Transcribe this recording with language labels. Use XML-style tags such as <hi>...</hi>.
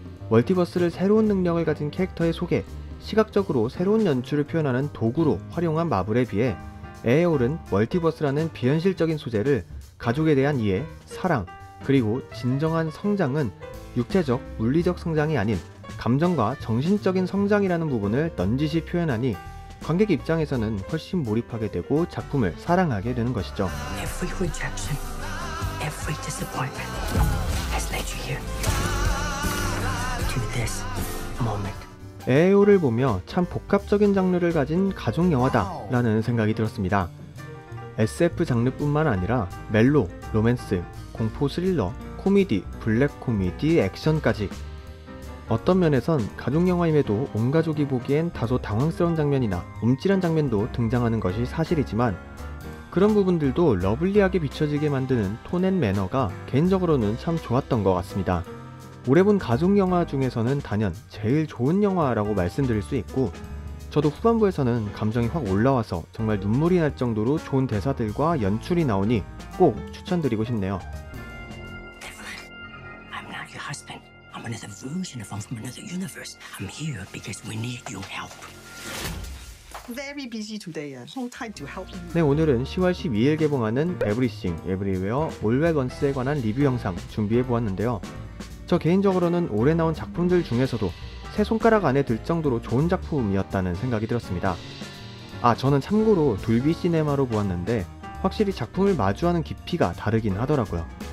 <ko>멀티버스를 새로운 능력을 가진 캐릭터의 소개, 시각적으로 새로운 연출을 표현하는 도구로 활용한 마블에 비해 에에올은 멀티버스라는 비현실적인 소재를 가족에 대한 이해, 사랑, 그리고 진정한 성장은 육체적, 물리적 성장이 아닌 감정과 정신적인 성장이라는 부분을 넌지시 표현하니 관객 입장에서는 훨씬 몰입하게 되고 작품을 사랑하게 되는 것이죠.</ko> <en>Every rejection, every disappointment has led you here to this moment.</en> <ko>에에올을 보며 참 복합적인 장르를 가진 가족 영화다라는 생각이 들었습니다. SF 장르뿐만 아니라 멜로, 로맨스, 공포 스릴러, 코미디, 블랙 코미디, 액션까지 어떤 면에선 가족 영화임에도 온 가족이 보기엔 다소 당황스러운 장면이나 움찔한 장면도 등장하는 것이 사실이지만 그런 부분들도 러블리하게 비춰지게 만드는 톤 앤 매너가 개인적으로는 참 좋았던 것 같습니다. 올해 본 가족 영화 중에서는 단연 제일 좋은 영화라고 말씀드릴 수 있고 저도 후반부에서는 감정이 확 올라와서 정말 눈물이 날 정도로 좋은 대사들과 연출이 나오니 꼭 추천드리고 싶네요.</ko> <en>I'm not your husband. I'm another version of him from another universe. I'm here because we need your help. Very busy today. No time to help.</en> <ko>네, 오늘은 10월 12일 개봉하는 Everything, Everywhere, All at Once에 관한 리뷰 영상 준비해 보았는데요. 저 개인적으로는 올해 나온 작품들 중에서도 세 손가락 안에 들 정도로 좋은 작품이었다는 생각이 들었습니다. 아, 저는 참고로 돌비 시네마로 보았는데 확실히 작품을 마주하는 깊이가 다르긴 하더라고요.</ko>